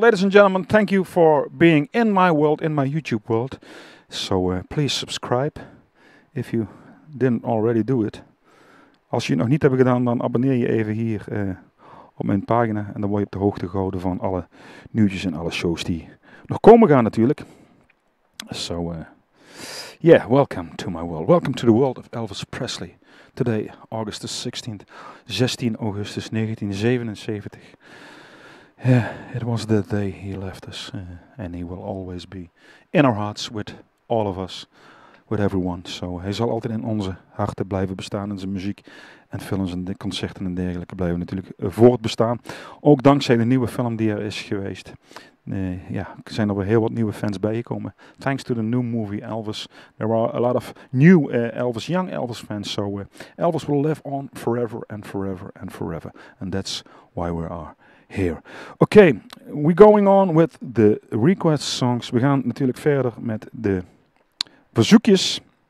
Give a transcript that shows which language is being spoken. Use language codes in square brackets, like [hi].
[en] Ladies and gentlemen, thank you for being in my world, in my YouTube world. So please subscribe if you didn't already do it. [nl] Als je het nog niet hebt gedaan, dan abonneer je even hier op mijn pagina. En dan word je op de hoogte gehouden van alle nieuwtjes en alle shows die nog komen gaan natuurlijk. [en] So, yeah, welcome to my world. Welcome to the world of Elvis Presley. Today, August the 16th, 16 Augustus 1977. Yeah, it was the day he left us. And he will always be in our hearts with all of us, with everyone. [nl] So hij zal altijd in onze harten blijven bestaan. En zijn muziek en films en concerten en dergelijke blijven natuurlijk voortbestaan. Ook dankzij de nieuwe film die er is geweest. Ja, er zijn weer heel wat nieuwe fans bijgekomen. [en] Thanks to the new movie Elvis. There are a lot of new Elvis, young Elvis fans. So Elvis will live on forever and forever and forever. And that's why we are here. Okay, we're going on with the request songs. [nl] We gaan natuurlijk verder met de verzoekjes.